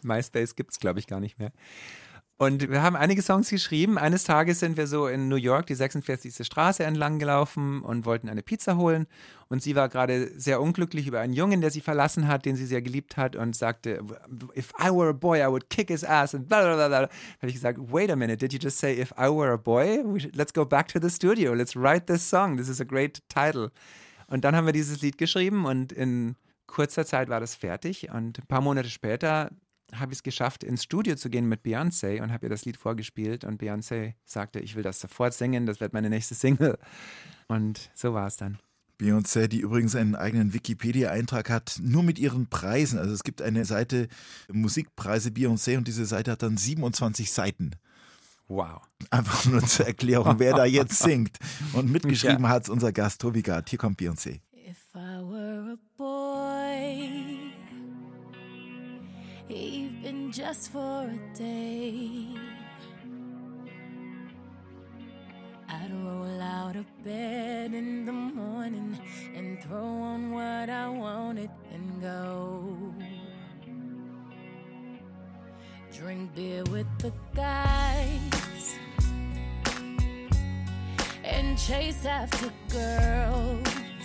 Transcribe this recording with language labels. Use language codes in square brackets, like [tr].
[de] MySpace gibt's, glaube ich, gar nicht mehr. Und wir haben einige Songs geschrieben. Eines Tages sind wir so in New York die 46. Straße entlang gelaufen und wollten eine Pizza holen. Und sie war gerade sehr unglücklich über einen Jungen, der sie verlassen hat, den sie sehr geliebt hat, und sagte, [en] if I were a boy, I would kick his ass. [de] Und blablabla. Habe ich gesagt, [en] wait a minute, did you just say if I were a boy? Let's go back to the studio. Let's write this song. This is a great title. [de] Und dann haben wir dieses Lied geschrieben und in kurzer Zeit war das fertig. Und ein paar Monate später habe ich es geschafft, ins Studio zu gehen mit Beyoncé und habe ihr das Lied vorgespielt. Und Beyoncé sagte, ich will das sofort singen, das wird meine nächste Single. Und so war es dann. Beyoncé, die übrigens einen eigenen Wikipedia-Eintrag hat, nur mit ihren Preisen. Also es gibt eine Seite Musikpreise Beyoncé und diese Seite hat dann 27 Seiten. Wow. Einfach nur zur Erklärung, wer da jetzt singt. Und mitgeschrieben hat es unser Gast Toby Gard. Hier kommt Beyoncé. [en] If I were a boy, even just for a day, I'd roll out of bed in the morning and throw on what I wanted and go drink beer with the guys and chase after girls.